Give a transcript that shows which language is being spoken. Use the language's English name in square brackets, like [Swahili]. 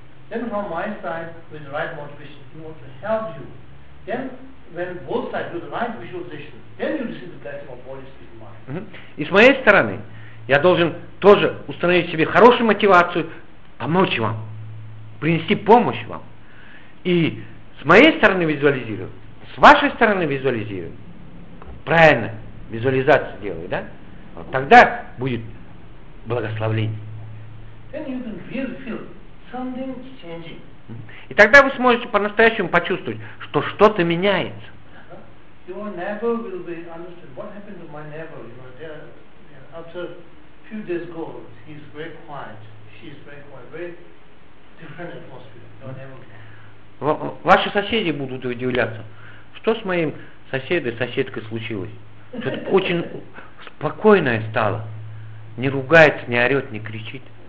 [English] Then from my side, with the right motivation, in order to help you. Then, when both sides do the right visualization, then you receive the blessing of Holy Spirit in mind. [Russian] И с моей стороны, я должен тоже установить себе хорошую мотивацию, помочь вам, принести помощь вам. И с моей стороны визуализирую, с вашей стороны визуализирую, правильно, визуализацию делаю, да? Вот тогда будет благословление. [English] Then you can really feel something changing. [Russian] И тогда вы сможете по-настоящему почувствовать, что что-то меняется. [English] Your neighbor will be understood. What happened to my neighbor? You know, there, after few days ago, he's very quiet. She's very quiet. Very different atmosphere. Your neighbor. [Russian] Ваши соседи будут удивляться, что с моим соседой, соседкой случилось. Тут очень спокойное стало. Не ругается, не орет, не кричит.